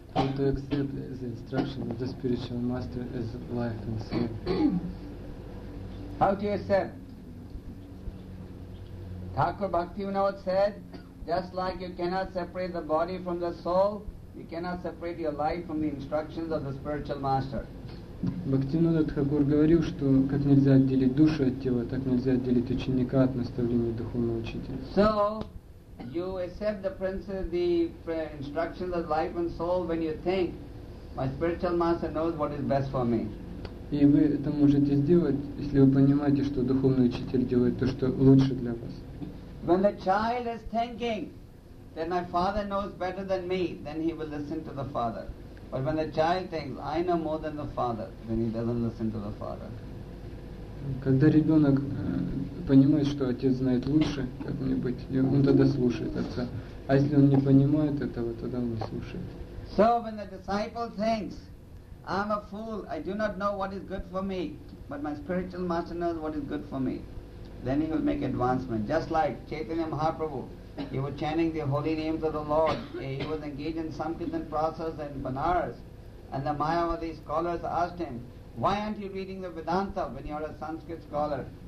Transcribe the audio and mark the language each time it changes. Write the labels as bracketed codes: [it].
[en] How to accept the instruction of the spiritual master as life and soul. How to accept? Thakur Bhaktivinoda said, just like you cannot separate the body from the soul, you cannot separate your life from the instructions of the spiritual master. [ru] Бхактинода Тхакур говорил, что как нельзя отделить душу от тела, так нельзя отделить ученика от наставления духовного учителя. [en] So you accept the principle, the instructions of life and soul when you think my spiritual master knows what is best for me. [ru] И вы это можете сделать, если вы понимаете, что духовный учитель делает то, что лучше для вас. [en] When the child is thinking that my father knows better than me, then he will listen to the father. But when the child thinks, I know more than the father, then he doesn't listen to the father. [ru] Когда ребенок понимает, что отец знает лучше, как-нибудь, он тогда слушает отца. А если он не понимает этого, тогда он не слушает. [en] So when the disciple thinks, I'm a fool, I do not know what is good for me, but my spiritual master knows what is good for me, then he will make advancement. Just like Chaitanya Mahaprabhu. He was chanting the holy names of the Lord. He was engaged in Sankirtan process in Banaras. And the Mayavadi scholars asked him, why aren't you reading the Vedanta when you are a Sanskrit scholar?